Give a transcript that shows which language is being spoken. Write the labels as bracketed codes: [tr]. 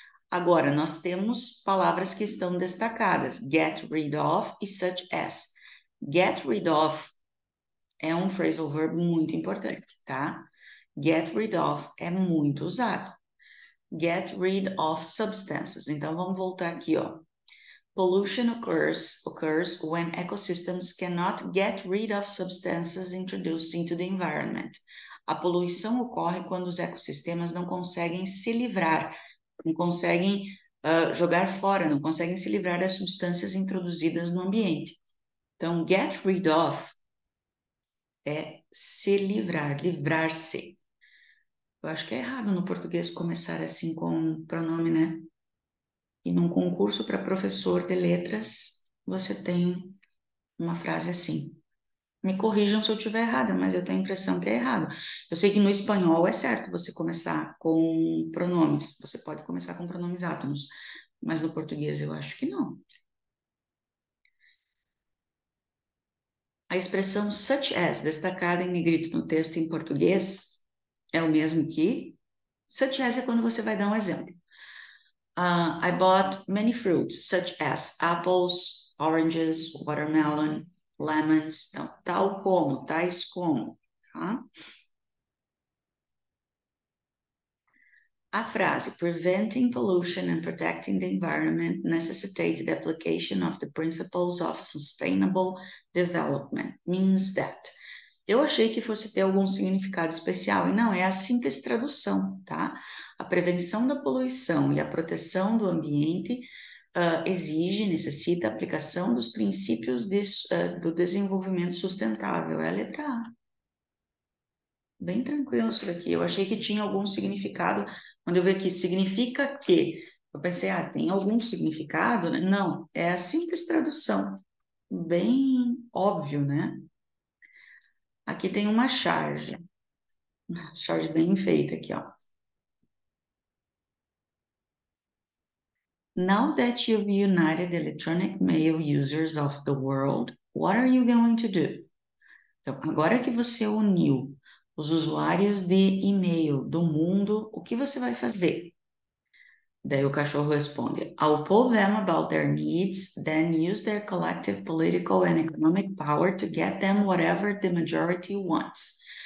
[pt] Agora, nós temos palavras que estão destacadas, get rid of e such as. Get rid of é um phrasal verb muito importante, tá? Get rid of é muito usado. [en] Get rid of substances. [pt] Então, vamos voltar aqui, ó. [en] Pollution occurs when ecosystems cannot get rid of substances introduced into the environment. [pt] A poluição ocorre quando os ecossistemas não conseguem se livrar, não conseguem jogar fora, não conseguem se livrar das substâncias introduzidas no ambiente. Então, get rid of é se livrar, livrar-se. Eu acho que é errado no português começar assim com um pronome, né? E num concurso para professor de letras, você tem uma frase assim. Me corrijam se eu estiver errada, mas eu tenho a impressão que é errado. Eu sei que no espanhol é certo você começar com pronomes. Você pode começar com pronomes átonos, mas no português eu acho que não. A expressão such as, destacada em negrito no texto em português, é o mesmo que such as é quando você vai dar um exemplo. [en] I bought many fruits, such as apples, oranges, watermelon, lemons. [pt] Então, tal como, tais como. Tá? A frase [en] Preventing pollution and protecting the environment necessitates the application of the principles of sustainable development means that. [pt] Eu achei que fosse ter algum significado especial, e não, é a simples tradução, tá? A prevenção da poluição e a proteção do ambiente exige, necessita a aplicação dos princípios do desenvolvimento sustentável. É a letra A. Bem tranquilo isso daqui. Eu achei que tinha algum significado. Quando eu vi aqui, significa que? Eu pensei, ah, tem algum significado, né? Não, é a simples tradução. Bem óbvio, né? Aqui tem uma charge bem feita aqui, ó. [en] Now that you've united electronic mail users of the world, what are you going to do? [pt] Então, agora que você uniu os usuários de e-mail do mundo, o que você vai fazer? Daí o cachorro responde: [en] I'll poll them about their needs, then use their collective political and economic power to get them whatever the majority wants.